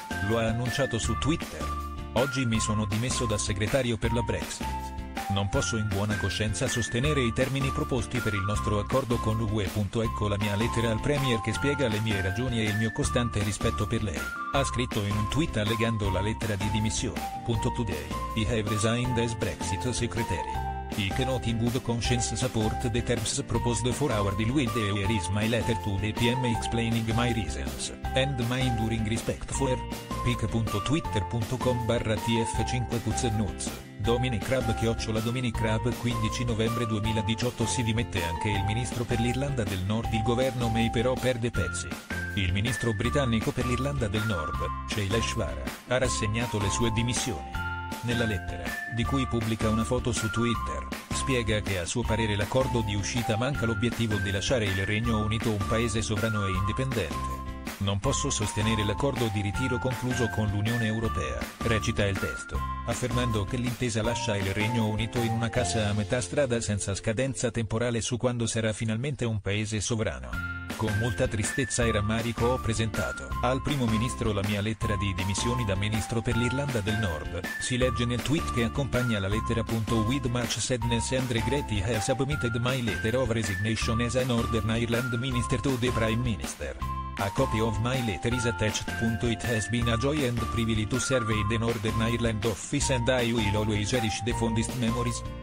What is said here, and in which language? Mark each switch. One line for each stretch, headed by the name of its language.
Italian: Lo ha annunciato su Twitter. Oggi mi sono dimesso da segretario per la Brexit. Non posso in buona coscienza sostenere i termini proposti per il nostro accordo con l'UE. Ecco la mia lettera al Premier che spiega le mie ragioni e il mio costante rispetto per lei, ha scritto in un tweet allegando la lettera di dimissione.
English: Today, I have resigned as Brexit Secretary. I cannot in good conscience support the terms proposed for our deal with the EU. Here is my letter to the PM explaining my reasons, and my enduring respect for pic.twitter.com/tf5qznuts.
Italian: Dominic Raab / Dominic Raab. 15 novembre 2018. Si dimette anche il ministro per l'Irlanda del Nord. Il governo May però perde pezzi. Il ministro britannico per l'Irlanda del Nord, Shailesh Vara, ha rassegnato le sue dimissioni. Nella lettera, di cui pubblica una foto su Twitter, spiega che a suo parere l'accordo di uscita manca l'obiettivo di lasciare il Regno Unito un paese sovrano e indipendente. Non posso sostenere l'accordo di ritiro concluso con l'Unione Europea, recita il testo, affermando che l'intesa lascia il Regno Unito in una cassa a metà strada senza scadenza temporale su quando sarà finalmente un paese sovrano. Con molta tristezza e rammarico ho presentato al primo ministro la mia lettera di dimissioni da ministro per l'Irlanda del Nord, si legge nel tweet che accompagna la lettera.
English: With much sadness and regret I have submitted my letter of resignation as a Northern Ireland minister to the Prime Minister. A copy of my letter is attached. It has been a joy and privilege to serve in the Northern Ireland office and I will always cherish the fondest memories.